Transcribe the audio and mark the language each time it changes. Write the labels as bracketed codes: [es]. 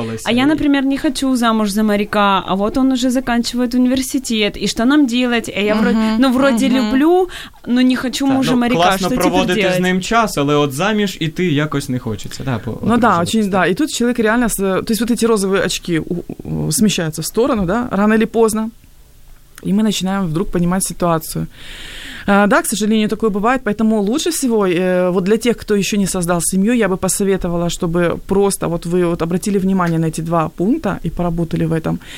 [ru] Я, например, не хочу замуж за моряка, а вот он уже заканчивает университет, и что нам делать? Я люблю, но не хочу мужа моряка, что теперь делать? [uk] Классно проводити з ним час, але от заміж і ти якось не хочеться. [ru] Да, [uk] і тут чоловік реально, [ru] то есть вот эти розовые очки смещаются в сторону, да, рано или поздно. И мы начинаем вдруг понимать ситуацию. Да, к сожалению, такое бывает, поэтому лучше всего, вот для тех, кто еще не создал семью, я бы посоветовала, чтобы просто вот вы вот обратили внимание на эти два пункта и поработали в этом.